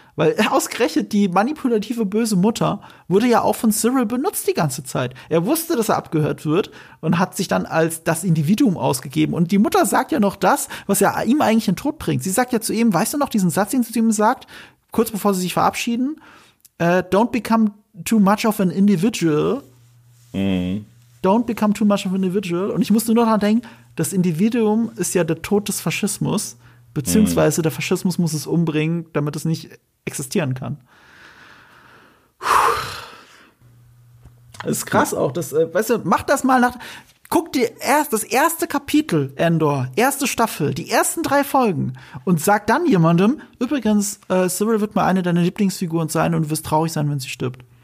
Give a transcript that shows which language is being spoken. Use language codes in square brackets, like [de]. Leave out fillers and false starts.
[de] Weil ausgerechnet die manipulative, böse Mutter wurde ja auch von Cyril benutzt die ganze Zeit. Er wusste, dass er abgehört wird und hat sich dann als das Individuum ausgegeben. Und die Mutter sagt ja noch das, was ja ihm eigentlich den Tod bringt. Sie sagt ja zu ihm, weißt du noch diesen Satz, den sie zu ihm sagt, kurz bevor sie sich verabschieden? [en] Don't become too much of an individual. Don't become too much of an individual. [de] Und ich muss nur noch daran denken, das Individuum ist ja der Tod des Faschismus, beziehungsweise der Faschismus muss es umbringen, damit es nicht existieren kann. Das ist krass auch. Das, weißt du, mach das mal nach. Guck dir erst das erste Kapitel, Andor, erste Staffel, die ersten drei Folgen und sag dann jemandem, übrigens, Cyril wird mal eine deiner Lieblingsfiguren sein und du wirst traurig sein, wenn sie stirbt.